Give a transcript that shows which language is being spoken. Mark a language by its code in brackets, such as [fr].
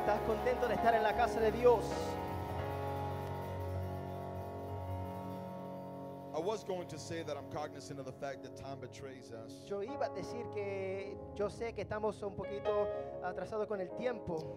[es] ¿Estás contento de estar en la casa de Dios? [en] I was going to say that I'm cognizant of the fact that time betrays us. [es] Yo iba a decir que yo sé que estamos un poquito atrasados con el tiempo.